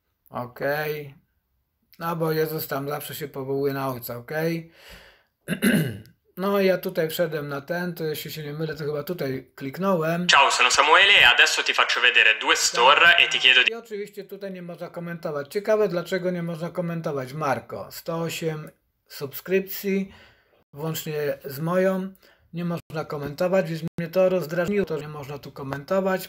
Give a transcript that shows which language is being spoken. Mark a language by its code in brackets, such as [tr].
[pl] Okej. No bo Jezus tam zawsze się powołuje na Ojca, okej? No ja tutaj wszedłem na ten, to jeśli się nie mylę, to chyba tutaj kliknąłem. [it] Ciao, sono Samuele e adesso ti faccio vedere due store e ti chiedo di... [pl] I oczywiście tutaj nie można komentować. Ciekawe, dlaczego nie można komentować. Marko, 108 subskrypcji, włącznie z moją, nie można komentować, więc mnie to rozdrażniło, to nie można tu komentować.